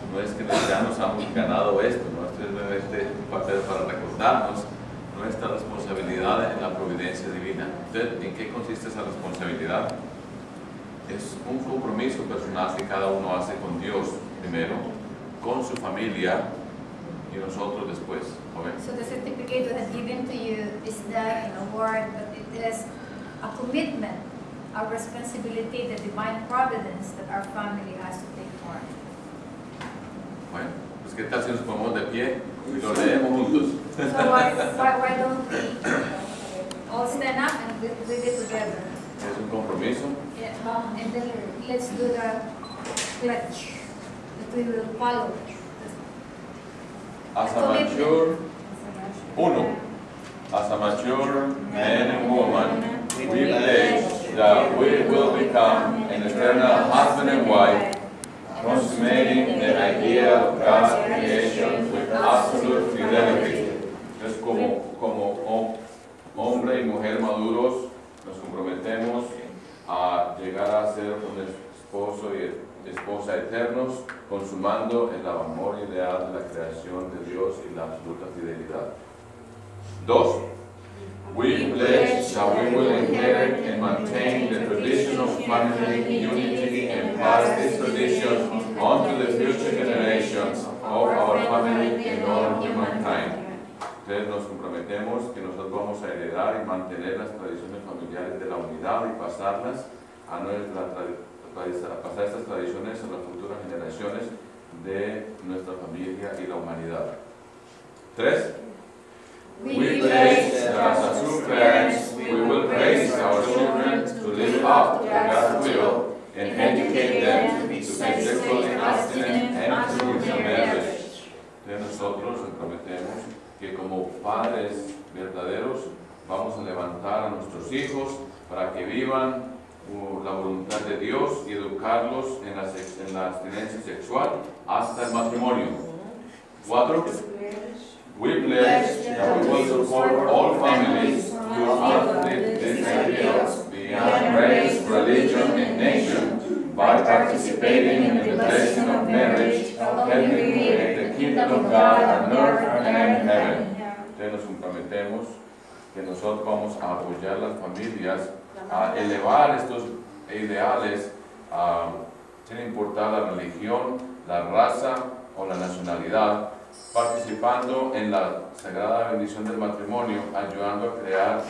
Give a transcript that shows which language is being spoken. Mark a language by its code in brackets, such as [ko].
[es] No es que ya nos hemos ganado esto, no es simplemente un papel para recordarnos nuestra responsabilidad en la providencia divina. ¿En qué consiste esa responsabilidad? Es un compromiso personal que cada uno hace con Dios primero, con su familia y nosotros después. [en] Okay. So the certificate that is given to you is not an award, but it is a commitment, a responsibility, the divine providence that our family has to take part. [es] Bueno, pues qué tal si nos ponemos de pie y lo leemos juntos. [en] So why don't we all stand up and read it together? [es] Es un compromiso. [en] Yeah, and then let's do the pledge that we will follow. [es] Asamachur, uno. [en] Asamachur, man and woman, we pledge that we will become an eternal husband and wife, consummating the idea of God's creation with absolute fidelity. [es] Es como hombre y mujer maduros, nos comprometemos a llegar a ser un esposo y esposa eternos, consumando el amor ideal de la creación de Dios y la absoluta fidelidad. [en] Dos, we pledge that we will inherit and maintain the tradition of family unity and pass this tradition on to the future generations of our family and all humankind. [es] Entonces nos comprometemos que nosotros vamos a heredar y mantener las tradiciones familiares de la unidad y pasarlas a nuestra pasar estas tradiciones a las futuras generaciones de nuestra familia y la humanidad. Tres. [en] We pledge as a true parents, we will raise our children to live up to God's will and educate them to be successful in abstinence and fruits of marriage. [es] Entonces nosotros nos comprometemos que como padres verdaderos vamos a levantar a nuestros hijos para que vivan la voluntad de Dios y educarlos en la abstinencia sexual hasta el matrimonio. Cuatro. [en] We pledge that we will support all families to uplift this ideal beyond race, religion, and nation by participating in the blessing of marriage, helping create the kingdom of God on earth and in heaven. [es] Entonces nos comprometemos que nosotros vamos a apoyar las familias a elevar estos ideales sin importar la religión, la raza o la nacionalidad, participando en la sagrada bendición del matrimonio, ayudando a crear el